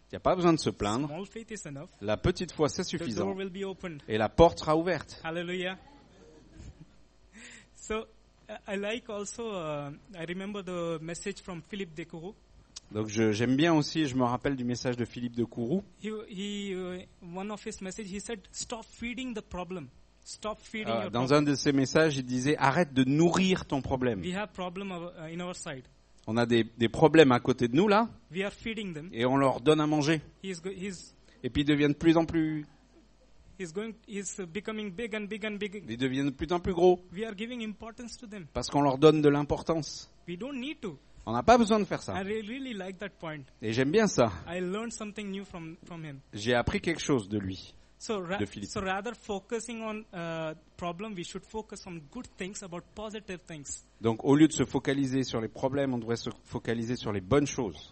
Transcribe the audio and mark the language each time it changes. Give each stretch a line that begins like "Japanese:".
French: Il n'y a pas besoin de se plaindre.
English: Small faith is enough.
French: La petite foi, c'est suffisant.
English: The door will be opened.
French: Et la porte sera ouverte.
English: Hallelujah. So I like also, I remember the message from Philippe Descouroux.
French: Donc j'aime bien aussi, je me rappelle du message de Philippe Descouroux.
English: One of his messages, he said, stop feeding the problem. Stop feeding your dans problem.
French: Un de ses messages, il disait arrête de nourrir ton problème.
English: We have problem in our side.
French: On a des problèmes à côté de nous là.
English: We are feeding them.
French: Et on leur donne à manger. Et puis ils deviennent de plus en plus.
English: He's becoming big and big and big.
French: Ils deviennent de plus en plus gros.
English: We are giving importance to them.
French: Parce qu'on leur donne de l'importance.
English: We don't need to.
French: On n'a pas besoin de faire ça.
English: I really like that point.
French: Et j'aime bien ça.
English: I learned something new from him.
French: J'ai appris quelque chose de lui.
English: So rather focusing on problem, we should focus on good things, about positive things.
French: Donc au lieu de se focaliser sur les problèmes, on devrait se focaliser sur les bonnes choses.